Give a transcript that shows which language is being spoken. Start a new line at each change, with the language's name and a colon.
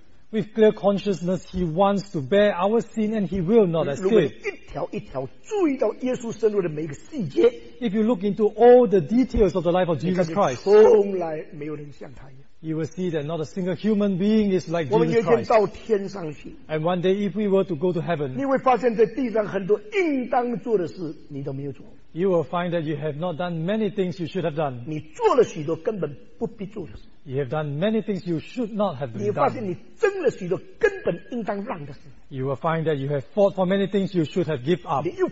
English: with clear consciousness, he wants to bear our sin and he will not escape.
Chinese: 一条一条注意到耶稣生活的每一个细节,
English: if you look into all the details of the life of Jesus Christ,
Chinese: 从来没有人像他一样,
English: you will see that not a single human being is like Jesus Christ.
Chinese: 我们有一天到天上去,
English: and one day if we were to go to heaven,
Chinese: 你会发现在地上很多应当做的事,
English: you will find that you have not done many things you should have done.
Chinese: 你做了许多根本不必做的事,
English: you have done many things you should not have been done. You will find that you have fought for many things you should have given up.